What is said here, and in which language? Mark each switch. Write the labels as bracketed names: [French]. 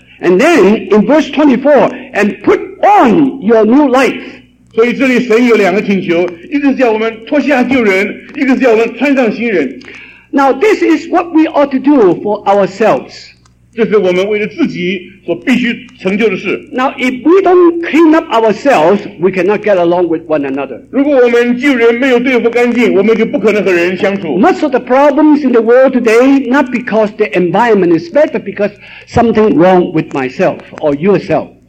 [English] And then in verse 24, and put on your new life. [Chinese] 所以这里神有两个请求，一个是叫我们脱下旧人，一个是叫我们穿上新人。 [English] Now this is what we ought to do for ourselves. [Chinese] 这是我们为了自己所必须成就的事。 [English] Now if we don't clean up ourselves, we cannot get along with one another. [Chinese] 如果我们旧人没有对付干净，我们就不可能和人相处。 [English] Most of the problems in the world today, not because the environment is bad, but because something wrong with myself or yourself.